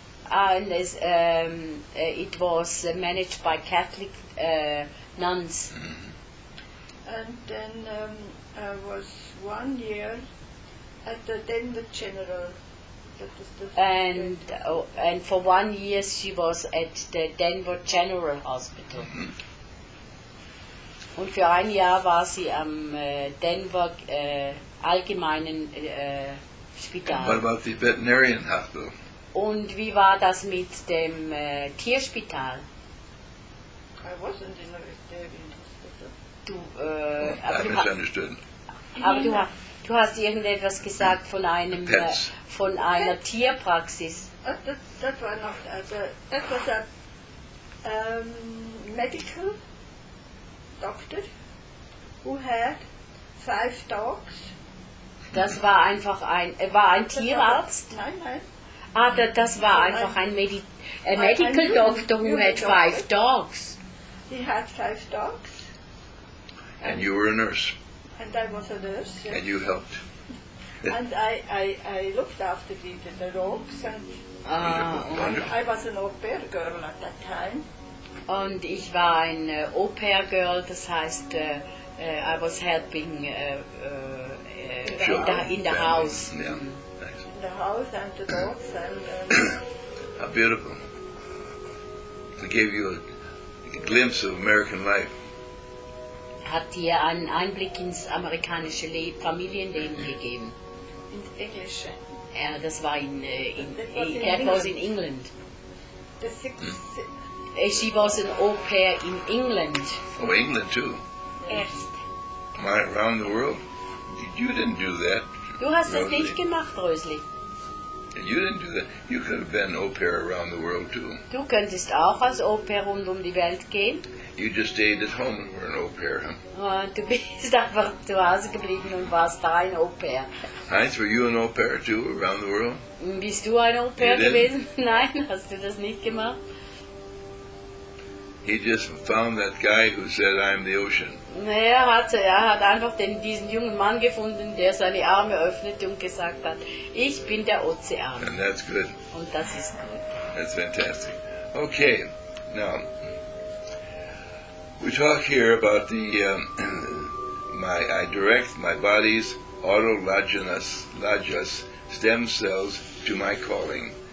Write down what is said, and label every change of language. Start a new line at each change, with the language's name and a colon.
English: And it was managed by Catholic nuns. And then I was 1 year at the Denver General. And for 1 year she was at the Denver General Hospital.
German: Und für ein Jahr war sie am Denver Allgemeinen Spital.
English: What about the veterinarian hospital?
German: Und wie war das mit dem Tierspital?
English: I wasn't in a veterinarian hospital.
German: Aber du hast irgendetwas gesagt von einem von einer Tierpraxis.
English: That was not, that was a medical doctor who had 5 dogs.
German: Das war einfach ein Tierarzt. Nein.
English: Ah,
German: das war einfach ein
English: medical doctor who had 5 dogs. He had 5 dogs. And you were a nurse. And I was a nurse. Yes. And you helped. And I looked after the dogs and I was an au pair girl at that time.
German: Und ich war ein Au Pair Girl, das heißt,
English: I was helping in the house. Yeah. Nice. In the house and the dogs and... How beautiful. It gave you a glimpse of American life.
German: Hat dir einen Einblick ins amerikanische Familienleben gegeben.
English: In English.
German: Ja, das war in England.
English: The sixth... She was an au pair in England. Oh, England too.
German: Erst.
English: My, around the world. You didn't do that.
German: Du hast es nicht gemacht, Rösli.
English: You didn't do that. You could have been au pair around the world too.
German: Du könntest auch als au pair rund die Welt gehen.
English: You just stayed at home and were an au pair, huh?
German: Du bist einfach zu Hause geblieben und warst da ein au pair.
English: Heinz, were you an au pair too around the world?
German: Bist du ein au pair gewesen? Nein, hast du das nicht gemacht?
English: He just found that guy who said, "I'm the ocean."
German: Er hat einfach diesen jungen Mann gefunden, der seine Arme öffnete und gesagt hat, "Ich bin der Ozean."
English: And that's good.
German: Und das ist gut.
English: That's fantastic. Okay, now we talk here about the I direct my body's autologous stem cells to my calling.